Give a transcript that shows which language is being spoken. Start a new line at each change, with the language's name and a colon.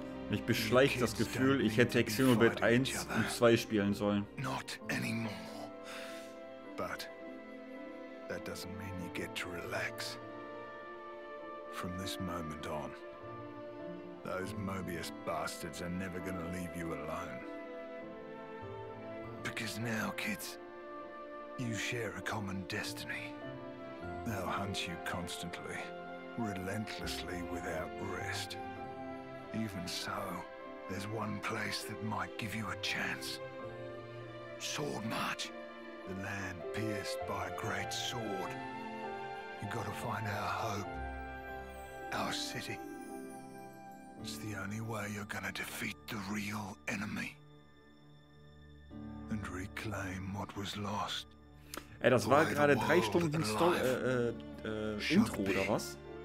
German: Mich beschleicht das Gefühl, ich hätte XENOBLADE 1 und 2 spielen sollen.
English: Not anymore. But that doesn't mean you get to relax. From this moment on, those Mobius bastards are never gonna leave you alone. Because now, kids, you share a common destiny. They'll hunt you constantly, relentlessly, without rest. Even so, there's one place that might give you a chance. Sword March. The land pierced by a great sword. You gotta find our hope. Our city. It's the only way you're gonna defeat the real enemy. And reclaim what was lost.
German: Ey, das war gerade 3 Stunden Intro, oder was?